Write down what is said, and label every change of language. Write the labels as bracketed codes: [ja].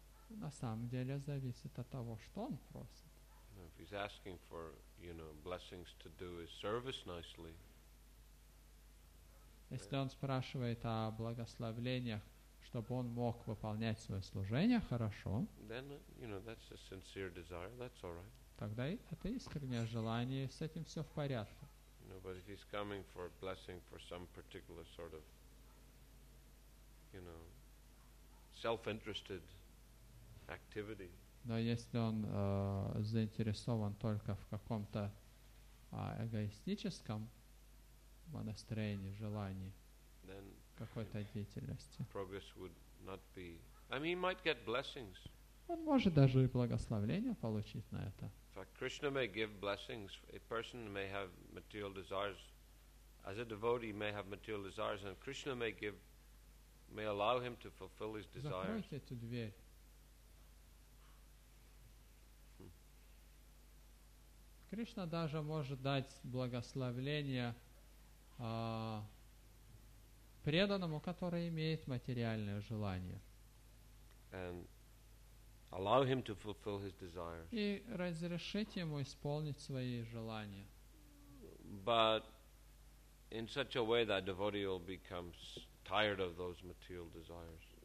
[ru] На самом деле зависит от того, что он просит. [en] If he's asking for, you know, blessings to do his service nicely. [ru] Если он спрашивает о благословлениях, чтобы он мог выполнять свое служение хорошо, [en] then, you know, that's a sincere desire. That's all right. [ru] Тогда это искреннее желание, с этим все в порядке. [en] You know, but if he's coming for blessing for some particular sort of, you know, self-interested activity. [ru] Но если он заинтересован только в каком-то эгоистическом настроение, желание какой-то деятельности. [en] Progress would not be. I mean, he might get blessings. [ru] Он может даже и благословение получить на это. [en] In fact, Krishna may give blessings. A person may have material desires. As a devotee, may have material desires, and Krishna may give, may allow him to fulfill his desires. [ru] Закройте эту дверь. Кришна даже может дать благословение преданному, который имеет материальное желание. [en] And allow him to fulfill his desires. [ru] И разрешить ему исполнить свои желания. [en] But in such a way that devotee will become tired of those material desires.